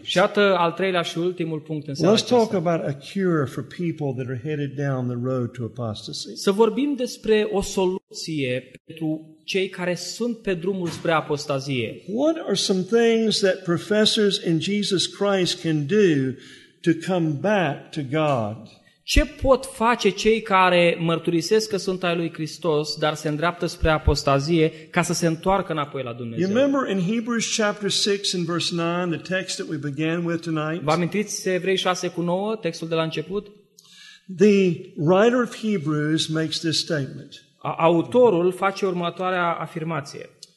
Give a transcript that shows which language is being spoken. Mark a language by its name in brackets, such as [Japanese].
[Romanian] Și iată al treilea și ultimul punct în seara aceasta. [English] Let's talk about a cure for people that are headed down the road to apostasy. [Romanian] Să vorbim despre o soluție pentru cei care sunt pe drumul spre apostazie. [English] What are some things that professors in Jesus Christ can do to come back to God? [Romanian] Ce pot face cei care mărturisesc că sunt ai lui Hristos, dar se îndreaptă spre apostazie, ca să se întoarcă înapoi la Dumnezeu? [English] You remember in Hebrews chapter 6 and verse 9, the text that we began with tonight? [Romanian] Vă amintiți Evrei 6:9, textul de la început? [English] The writer of Hebrews makes this statement. [Romanian] Autorul face următoarea afirmație.